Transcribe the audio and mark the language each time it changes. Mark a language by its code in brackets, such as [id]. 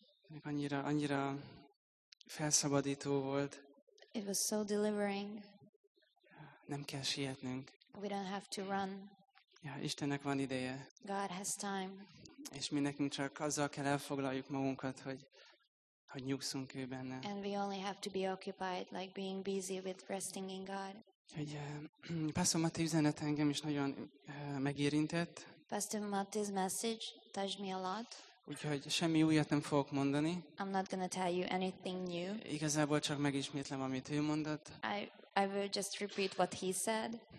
[hu] Ezek annyira felszabadító volt. [en] It was so delivering. [hu] Nem kell sietnünk. [en] We don't have to run. [hu] Ja, Istennek van ideje. [en] God has time. [hu] És mi nekünk csak azzal kell elfoglaljuk magunkat, hogy nyugszunk ő benne. [en] And we only have to be occupied, like being busy with resting in God. [hu] Hogy Pastor Matti üzenet engem is nagyon megérintett. [en] Pastor Matti's message touched me a lot. [hu] Úgyhogy semmi újat nem fogok mondani. [en] I'm not gonna tell you anything new. [hu] Igazából csak megismétlem, amit ő mondott. [en] I will just repeat what he said.